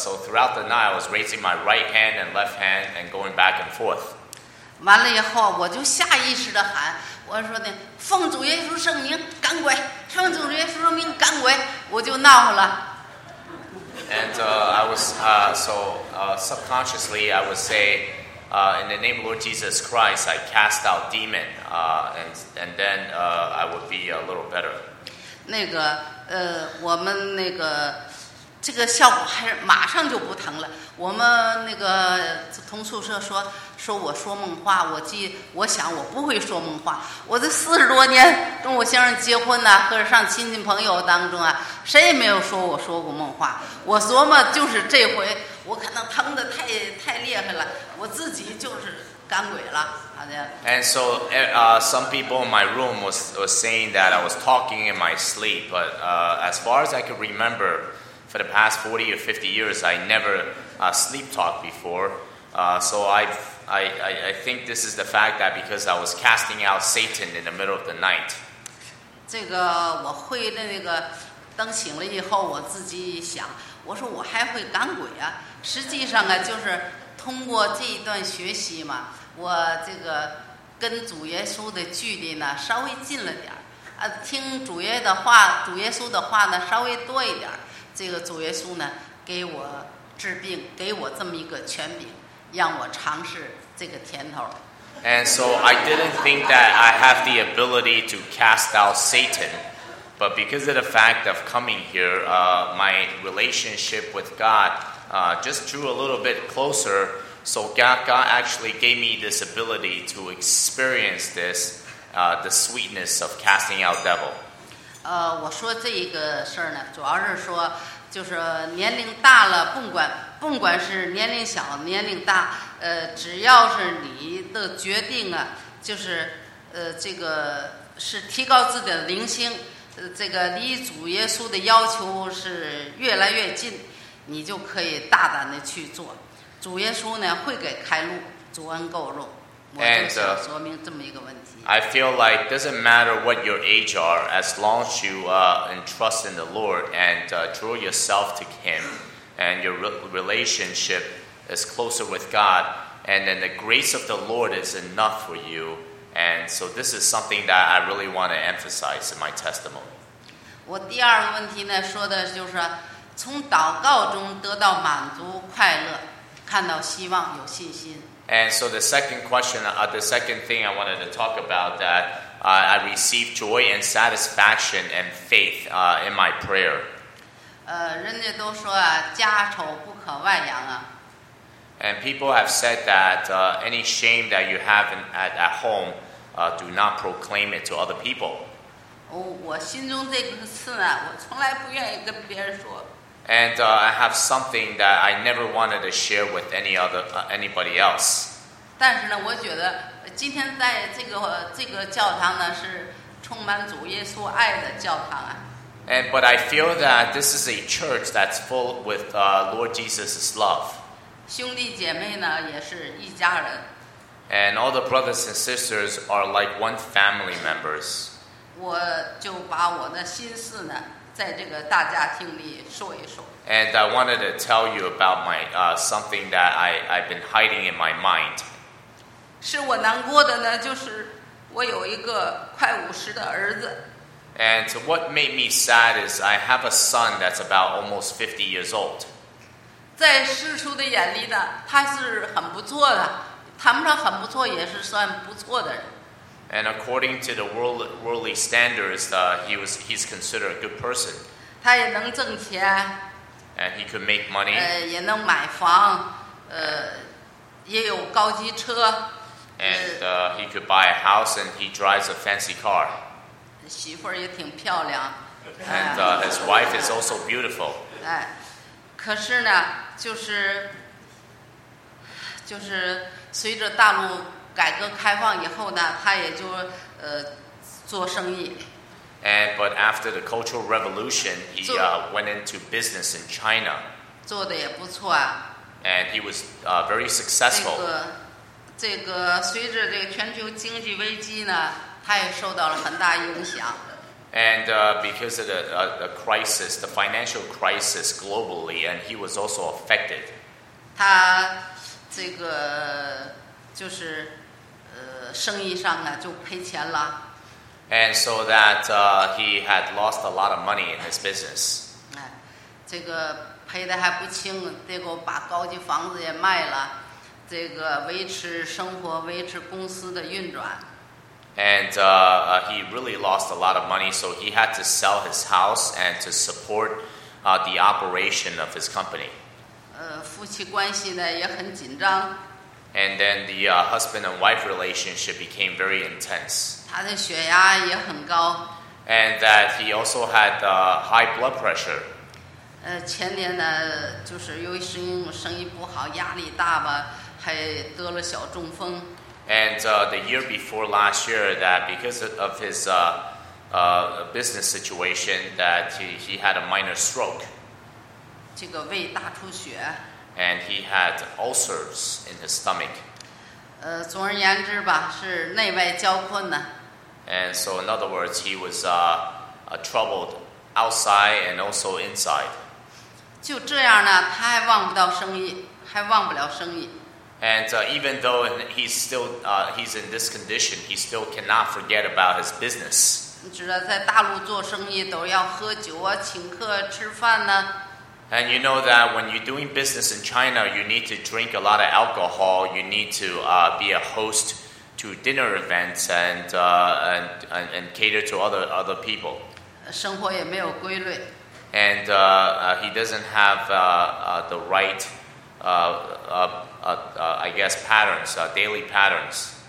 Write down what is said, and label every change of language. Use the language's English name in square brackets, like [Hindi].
[English] So throughout the night, I was raising my right hand and left hand and going back and forth. [Chinese] 完了以后，我就下意识的喊，我说呢，奉主耶稣圣名赶鬼，奉主耶稣圣名赶鬼，我就闹了。 [English] And I was subconsciously I would say. In the name of Lord Jesus Christ, I cast out demon, and then I would be a little better. [Chinese] 那个我们那个这个效果还是马上就不疼了。我们那个同宿舍说我说梦话，我想我不会说梦话。我这40多年跟我先生结婚呢、啊，或者上亲戚朋友当中啊，谁也没有说我说过梦话。我琢磨就是这回。我可能疼得太厉害了，我自己就是赶鬼了。 [English] And so, some people in my room was saying that I was talking in my sleep, but as far as I could remember, for the past 40 or 50 years, I never sleep talked before. So I think this is the fact that because I was casting out Satan in the middle of the night. [Chinese] 这个我会的那个，等醒了以后，我自己想。我说我还会赶鬼啊，实际上啊，就是通过这一段学习嘛，我这个跟主耶稣的距离呢稍微近了点儿，听主耶稣的话呢稍微多一点，这个主耶稣呢给我治病，给我这么一个权柄，让我尝试这个甜头。 [English] And so I didn't think that I have the ability to cast out Satan. But because of the fact of coming here, my relationship with God just drew a little bit closer. So God actually gave me this ability to experience this, the sweetness of casting out devil. [Chinese] 我说这一个事儿呢，主要是说，就是年龄大了，不管是年龄小年龄大，只要是你的决定啊，就是这个是提高自己的灵性。这个离主耶稣的要求是越来越近，你就可以大胆的去做。主耶稣呢会给开路，主恩够用。我就想说明这么一个问题。 [English] I feel like doesn't matter what your age are, as long as you entrust in the Lord and draw yourself to Him, and your relationship is closer with God, and then the grace of the Lord is enough for you. And so this is something that I really want to emphasize in my testimony. [Chinese] 我第二个问题呢，说的就是从祷告中得到满足、快乐，看到希望、有信心。 [English] And so the second question, the second thing I wanted to talk about that I receive joy and satisfaction and faith in my prayer. [Chinese] 人家都说啊，家丑不可外扬啊。 [English] And people have said that any shame that you have at home, do not proclaim it to other people. And I have something that I never wanted to share with anybody else. [Chinese] 但是呢，我觉得今天在这个教堂呢是充满主耶稣爱的教堂啊。 [English] And, but I feel that this is a church that's full with Lord Jesus' love. [Chinese] 兄弟姐妹呢也是一家人。 [English] And all the brothers and sisters are like one family members. [Chinese] 我就把我的心事呢在这个大家庭里说一说。 [English] And I wanted to tell you about my, something that I've been hiding in my mind. [Chinese] 是我难过的呢就是我有一个快五十的儿子。 [English] And what made me sad is I have a son that's about almost 50 years old. [Chinese] 在世俗的眼里呢他是很不错的谈不上很不错也是算不错的人。 [English] And according to the worldly standards, he's considered a good person. [Chinese] 他也能挣钱。 [English] And he could make money. [Chinese] 也能买房。也有高级车。 [English] And he could buy a house and he drives a fancy car. [Chinese] 媳妇儿也挺漂亮。 [English] And his wife is also beautiful. [Chinese] 可是呢就是随着大陆改革开放以后呢他也就做生意。 [English] And, but after the Cultural Revolution, he went into business in China. [Chinese] 做得也不错啊。 [English] And he was very successful. [Chinese] 这个随着这个全球经济危机呢他也受到了很大影响。 [English] And because of the crisis, the financial crisis globally, and he was also affected. [Chinese] 他这个就是生意上呢就赔钱了。 [English] And so that he had lost a lot of money in his business. [Chinese] 这个赔的还不轻结果把高级房子也卖了这个维持生活维持公司的运转。 [English] And he really lost a lot of money, so he had to sell his house and to support the operation of his company. [Chinese] 夫妻关系呢也很紧张。 [English] And then the husband and wife relationship became very intense. [Chinese] 他的血压也很高。 [English] And that he also had high blood pressure. [Chinese] 前年呢，就是由于生意不好，压力大吧，还得了小中风。 [English] And the year before last year, that because of his business situation, that he had a minor stroke. [Chinese] 这个胃大出血。 [English] And he had ulcers in his stomach. [Chinese] 总而言之吧，是内外交困呢。 [English] And so, in other words, he was troubled outside and also inside. [Chinese] 就这样呢，他还忘不到生意，还忘不了生意。 [English] And even though he's in this condition, he still cannot forget about his business. [Chinese] 你知道，在大陆做生意都要喝酒啊，请客吃饭呢。 [English] And you know that when you're doing business in China, you need to drink a lot of alcohol. You need to be a host to dinner events and cater to other people. [Chinese] 生活也没有规律。 [English] And he doesn't have the right, I guess, patterns, daily patterns.